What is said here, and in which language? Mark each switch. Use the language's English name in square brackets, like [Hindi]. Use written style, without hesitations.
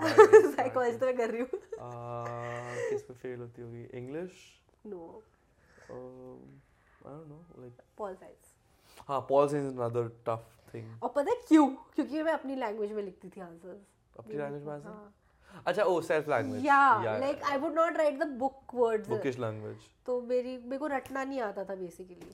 [Hindi] Psychology तो मैं कर रही हूं. किस पे फेल होती होगी? English? [English] No. I don't know, like Paul Science. हाँ, Paul Science is another tough thing. [Hindi] और पता है क्यों? क्योंकि मैं अपनी language में लिखती थी answers. अपनी language में answers? अच्छा, [English] oh, self language. Yeah, like I would not write the book words. Bookish language. [Hindi] तो मेरे को रटना नहीं आता था basically.